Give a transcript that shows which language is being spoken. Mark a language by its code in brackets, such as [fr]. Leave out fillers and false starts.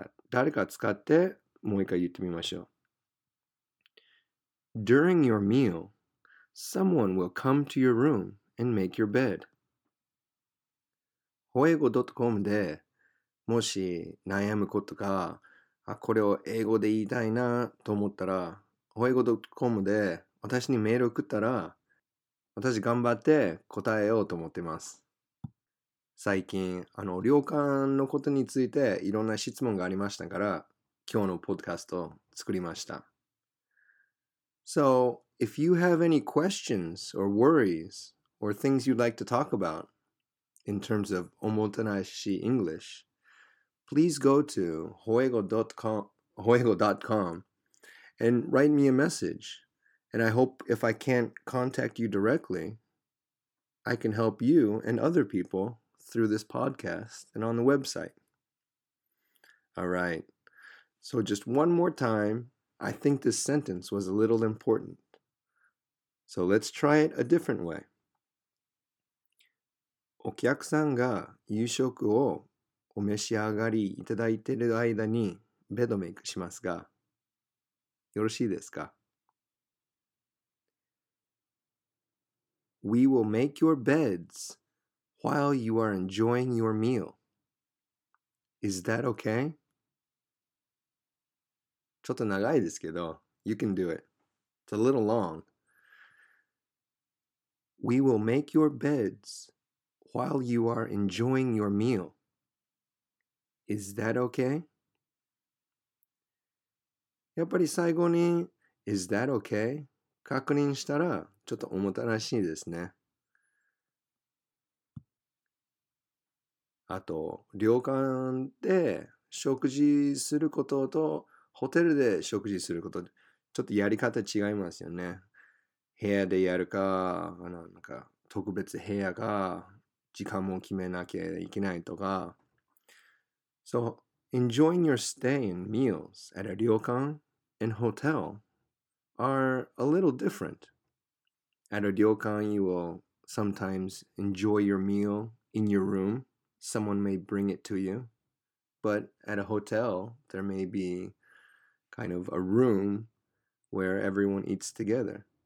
[ja] 誰か使って、もう一回言ってみましょう。 [en] During your meal, someone will come to your room and make your bed. [ja] hoego.com でもし悩むことが、これを英語で言いたいなと思ったら、hoego.com で私にメール送ったら、私頑張って答えようと思ってます。最近、旅館のことについていろんな質問がありましたから、今日のポッドキャストを作りました。 [en] So, if you have any questions or worries or things you'd like to talk about in terms of おもてなし English, please go to hoego.com and write me a message. And I hope if I can't contact you directly, I can help you and other people through this podcast and on the website. All right. So just one more time. I think this sentence was a little important. So let's try it a different way. [ja] お客さんが夕食をお召し上がりいただいている間にベッドメイクしますが、よろしいですか? [en] We will make your beds while you are enjoying your meal. Is that okay? [ja] ちょっと長いですけど、 [en] you can do it. It's a little long. We will make your beds while you are enjoying your meal. Is that okay? [ja] やっぱり最後に [en] Is that okay? [ja] 確認したらちょっと重たらしいですね。あと、旅館で食事することとホテルで食事すること、ちょっとやり方違いますよね。部屋でやるか、なんか特別部屋か、時間も決めなきゃいけないとか。 [en] So, enjoying your stay and meals at a 旅館 and hotel are a little different. At a 旅館, you will sometimes enjoy your meal in your room. Someone may bring it to you. But at a hotel, there may be kind of a room where everyone eats together.